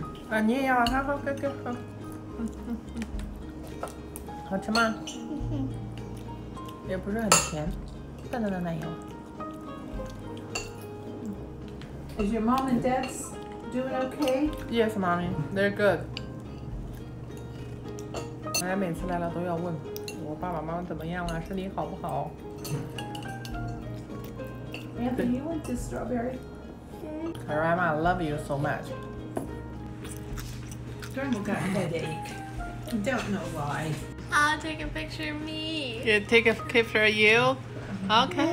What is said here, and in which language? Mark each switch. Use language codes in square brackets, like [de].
[zh] 啊，你也要，好好，给给好，好吃吗？也不是很甜，淡淡的奶油。 [en] Is your mom and dad doing okay? Yes, mommy, they're good. [zh] 奶奶每次来了都要问我爸爸妈妈怎么样了，身体好不好。 [en] Anthony, you want this strawberry? Grandma, I love you so much. Grandma got a headache. I don't know why. I'll take a picture of me. Yeah, take a picture of you? Okay.